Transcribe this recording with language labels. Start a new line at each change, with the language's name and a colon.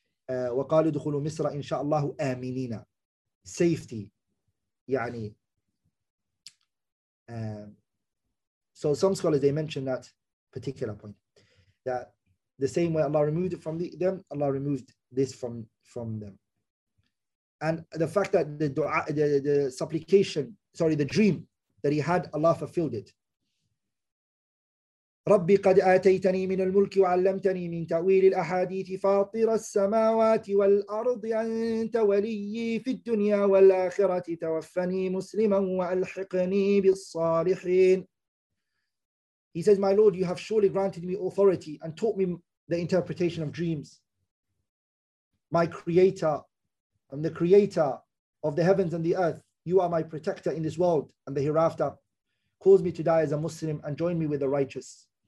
Arabic: وقالوا دخلوا مصر إن شاء الله آمنين.
English: Safety. يعني so some scholars, they mentioned that particular point, that the same way Allah removed it from them, Allah removed this from them. And the fact that the dua, the supplication, sorry, the dream that he had, Allah fulfilled it.
Arabic: ربي قد آتيتني من الملك وعلمتني من تأويل الأحاديث فاطر السماوات والأرض أنت ولي في الدنيا والآخرة توفني مسلما وألحقني بالصالحين.
English: He says, my Lord, you have surely granted me authority and taught me the interpretation of dreams. My creator, I'm the creator of the heavens and the earth. You are my protector in this world and the hereafter. Cause me to die as a Muslim and join me with the righteous.